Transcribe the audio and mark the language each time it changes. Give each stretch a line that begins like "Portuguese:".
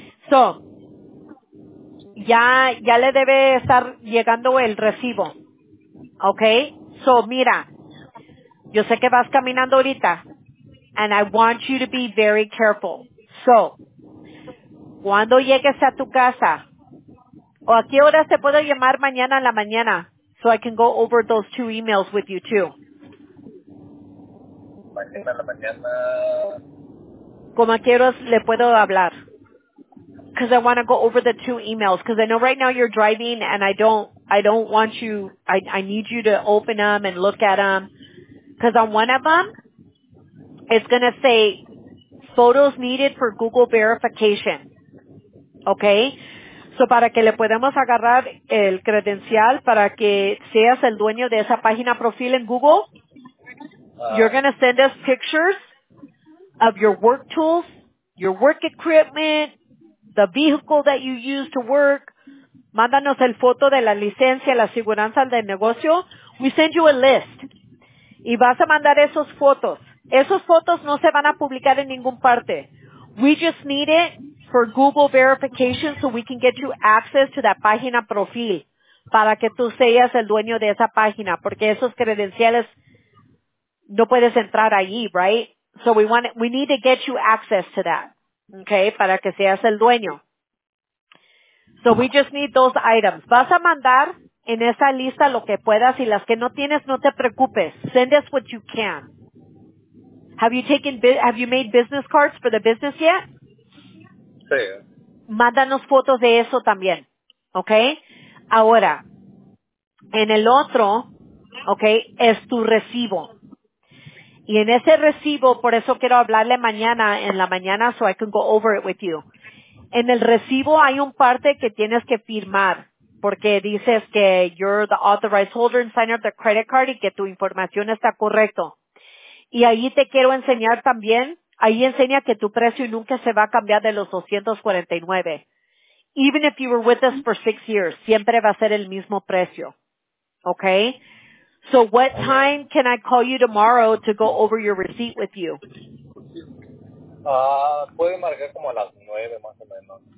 Spanish: So, ya le debe estar llegando el recibo. Okay, so mira, yo sé que vas caminando ahorita,
English: and I want you to be very careful.
Spanish: So, cuando llegues a tu casa, ¿o a qué hora te puedo llamar mañana en la mañana?
English: So I can go over those two emails with you too.
Spanish: Mañana en la mañana. ¿Cómo a qué horas le puedo hablar?
English: Because I want to go over the two emails. Because I know right now you're driving, and I don't want you. I need you to open them and look at them. Because on one of them, it's gonna say photos needed for Google verification.
Spanish: Okay, so para que le podamos agarrar el credencial para que seas el dueño de esa página profil en Google,
English: you're gonna send us pictures of your work tools, your work equipment. The vehicle that you use to work.
Spanish: Mándanos el foto de la licencia, la aseguranza del negocio.
English: We send you a list.
Spanish: Y vas a mandar esos fotos. Esos fotos no se van a publicar en ningún parte.
English: We just need it for Google verification so we can get you access to that página profil.
Spanish: Para que tú seas el dueño de esa página. Porque esos credenciales no puedes entrar ahí, right?
English: So we need to get you access to that.
Spanish: Okay, para que seas el dueño.
English: So we just need those items.
Spanish: Vas a mandar en esa lista lo que puedas y las que no tienes, no te preocupes.
English: Send us what you can. Have you made business cards for the business yet?
Spanish: Sí. Mándanos fotos de eso también. Okay? Ahora, en el otro, okay, es tu recibo. Y en ese recibo, por eso quiero hablarle mañana, en la mañana,
English: so I can go over it with you.
Spanish: En el recibo hay un parte que tienes que firmar, porque dices que
English: you're the authorized holder and signer of the credit card
Spanish: y que tu información está correcto. Y ahí te quiero enseñar también, ahí enseña que tu precio nunca se va a cambiar de los 249.
English: Even if you were with us for 6 years,
Spanish: siempre va a ser el mismo precio.
English: Okay? So what time can I call you tomorrow to go over your receipt with you?
Spanish: Puede marcar como a las 9 más o menos.